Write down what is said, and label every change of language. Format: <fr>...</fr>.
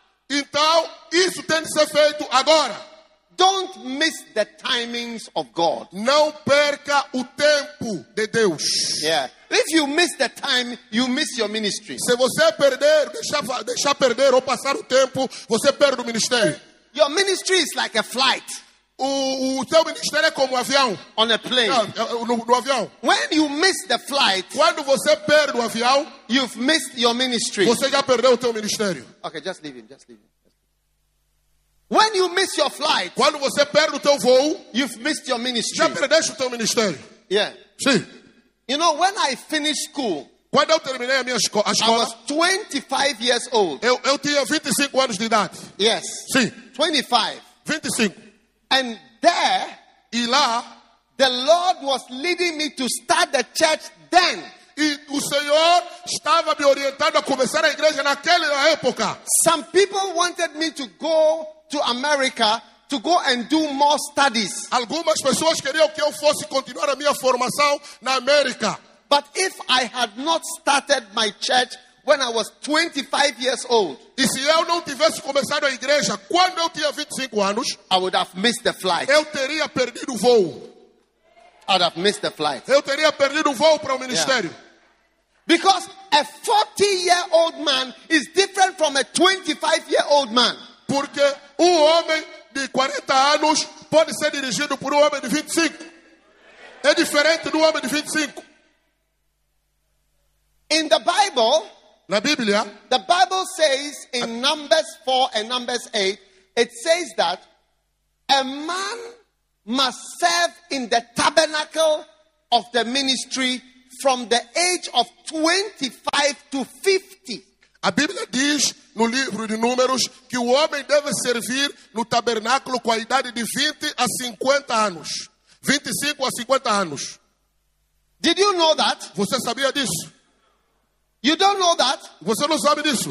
<pt>Então, isso tem que ser feito agora.</pt> <en>Don't miss the timings of God.</en> <pt>Não perca o tempo de Deus.</pt> <en>Yeah. If you miss the time, you miss your ministry.</en> <pt>Se você perder, deixar perder ou passar o tempo, você perde o ministério.</pt> <en>Your ministry is like a flight.</en> <pt>O seu ministério é como um avião.</pt> <en>On a plane.</en> <pt>No avião.</pt> <en>When you miss the flight,</en> <pt>quando você perde o avião,</pt> <en>you've missed your ministry.</en> <pt>Você já perdeu o teu ministério.</pt> <en>Okay, just leave him. Just leave him. When you miss your flight,</en> <pt>quando você perde o teu voo,</pt> <en>you've missed your ministry.</en> <pt>Já perdeu o teu ministério.</pt> <en>Yeah.</en> <pt>Sim.</pt> <en>You know, when I finished school,</en> <pt>quando eu terminei a minha escola,</pt> <en>I was 25 years old.</en> <pt>Eu tinha 25 anos de idade.</pt> <en>Yes.</en> <pt>Sim.</pt> <en>25.</en> <pt>25.</pt> <en>And there,</en> <pt>e lá,</pt> <en>the Lord was leading me to start the church then.</en> <pt>E o Senhor estava me orientando a começar a igreja naquela época.</pt> <en>Some people wanted me to go to America to go and do more studies.</en> <pt>Algumas pessoas queriam que eu fosse continuar a minha formação na América.</pt> <en>But if I had not started my church when I was 25 years old,</en> <pt>e se eu não tivesse começado a igreja quando eu tinha 25 anos,</pt> <en>I would have missed the flight.</en> <pt>Eu teria perdido o voo.</pt> <en>I'd have missed the flight.</en> <pt>Eu teria perdido o voo para o ministério.</pt> <en>Yeah. Because a 40-year-old man is different from a 25-year-old man.</en> <pt>Porque um homem de 40 anos pode ser dirigido por um homem de 25. É diferente do homem de 25.</pt> <en>In the Bible,</en> <pt>na Bíblia,</pt> <en>the Bible says in Numbers 4 and Numbers 8, it says that a man must serve in the tabernacle of the ministry from the age of 25 to 50.</en> <pt>A Bíblia diz no livro de Números que o homem deve servir no tabernáculo com a idade de 20 a 50 anos. 25 a 50 anos.</pt> <en>Did you know that?</en> <pt>Você sabia disso?</pt> <en>You don't know that?</en> <pt>Você não sabe disso?</pt>